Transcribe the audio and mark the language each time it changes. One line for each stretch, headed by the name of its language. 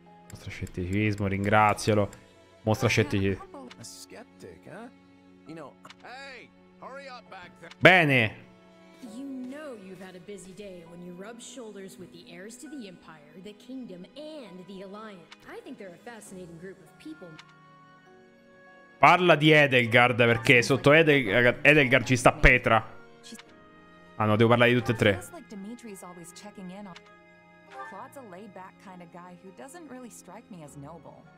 Italian: Mostra scetticismo, ringrazialo. Mostra scetticismo.
English: Skeptic, eh? You know, hey, hurry up back there.
Italian: Bene.
English: You know you've had a busy day when you rub shoulders with the heirs to the Empire, the Kingdom, and the Alliance. I think they're a fascinating group of people.
Italian: Parla di Edelgard, perché sotto Edelgard ci sta Petra. Ah no, devo parlare di tutte e tre.
English: Dimitri's always checking in on. Claude's a laid-back kind of guy who doesn't really strike me as noble.